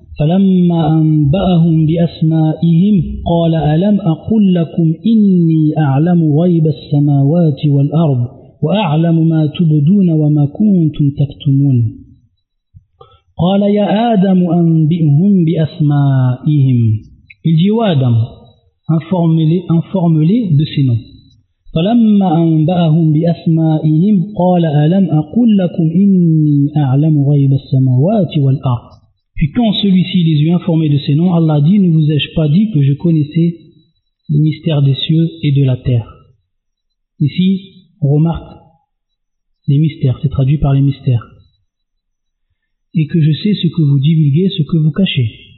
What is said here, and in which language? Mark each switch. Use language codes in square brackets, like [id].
[ar] فلما أنبأهم بأسمائهم قال ألم أقل لكم إني أعلم غيب السماوات والأرض وأعلم ما تبدون وما كنتم تكتمون قال يا آدم أنبئهم بأسمائهم [fr] Il dit Adam, informe-les de ces noms. [ar] فلما أنبأهم بأسمائهم قال ألم أقل لكم إني أعلم غيب السماوات والأرض. [fr] Puis quand celui-ci les eut informés de ses noms, Allah dit, ne vous ai-je pas dit que je connaissais les mystères des cieux et de la terre. Ici, on remarque les mystères, c'est traduit par les mystères. Et que je sais ce que vous divulguez, ce que vous cachez.